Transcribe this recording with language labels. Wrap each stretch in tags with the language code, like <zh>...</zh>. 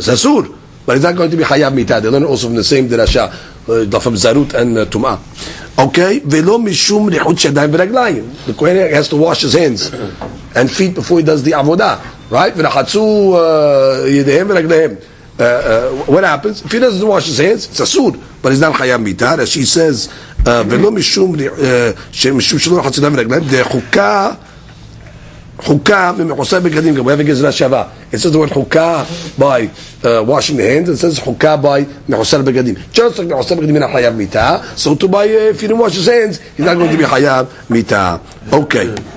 <en>It's asur, but it's not going to be hayav mitah. They learn also from the same derasha, from zarut and tumah. Okay,</en> <he>velo mishum rechut shadayim v'raglayim.</he> <en>The kohen has to wash his hands and feet before he does the avodah, right?</en> <he>V'rachatzu yedehem v'raglayim.</he> <en>What happens? If he doesn't wash his hands, it's asur, but it's not chayav mitah, as she says.</en> <he>ולא משום שלא רחצו דם ורגליים, דחוקה Chukah v'mechoseh begadim.</he> <en>We have a gezerah shava. It says the word chukah by washing the hands. It says chukah by mechoseh begadim. Just like mechoseh begadim in a hayav mita. So to buy, if he didn't wash his hands, he's not going to be hayav mita. Okay.</en>